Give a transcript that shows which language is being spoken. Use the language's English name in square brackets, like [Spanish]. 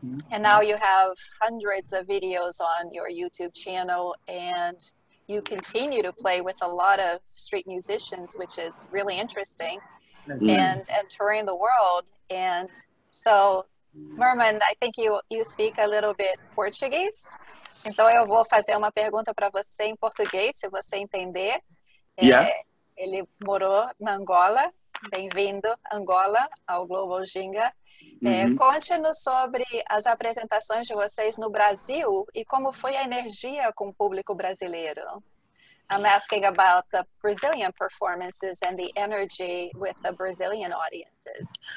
[English] And now you have hundreds of videos on your YouTube channel, and you continue to play with a lot of street musicians, which is really interesting, and touring the world. And so Merman, I think you speak a little bit Portuguese. [Portuguese] Então eu vou fazer uma pergunta para você em português, se você entender. Yeah. Ele morou na Angola. Bem-vindo, Angola, ao Global Ginga. Uhum. Conte-nos sobre as apresentações de vocês no Brasil e como foi a energia com o público brasileiro. [English] I'm asking about the Brazilian performances and the energy with the Brazilian audiences.